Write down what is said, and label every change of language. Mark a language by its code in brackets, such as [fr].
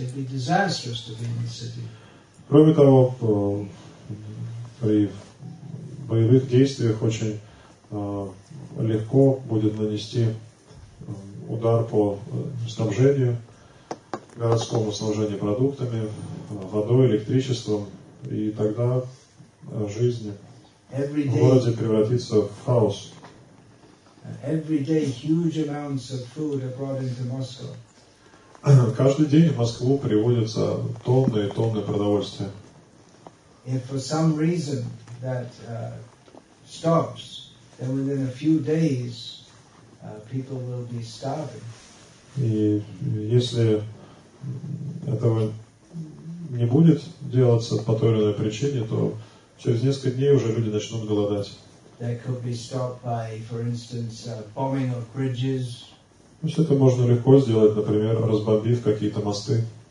[en] It'd be disastrous to be in the city. [ru] Кроме того, при боевых действиях очень легко будет нанести удар по снабжению, городскому снабжению продуктами, водой, электричеством, и тогда жизнь в городе превратится в хаос. [en] Every day huge amounts of food are brought into Moscow. [ru] Каждый день в Москву приводятся тонны и тонны продовольствия. [en] If for some reason that stops, then within a few days people will be starving. [ru] И если этого не будет делаться по той или иной причине, то через несколько дней уже люди начнут голодать. [en] That could be stopped by, for instance, bombing of bridges. [ru] То есть это можно легко сделать, например, разбомбив какие-то мосты.